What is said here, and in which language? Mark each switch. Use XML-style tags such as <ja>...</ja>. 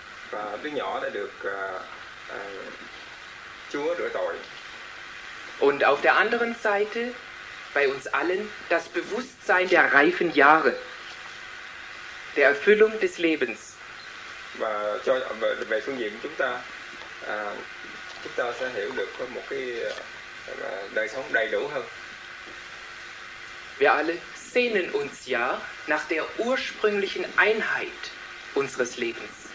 <vi>và đứa nhỏ đã được Chúa rửa tội.</vi> <de>Und auf der anderen Seite bei uns allen das Bewusstsein der reifen Jahre, der Erfüllung des Lebens.</de> <vi>Và cho về phương diện chúng ta chúng ta sẽ hiểu được một cái đời sống đầy đủ hơn.</vi> <de>Wir alle sehnen uns ja nach der ursprünglichen Einheit unseres Lebens.</de>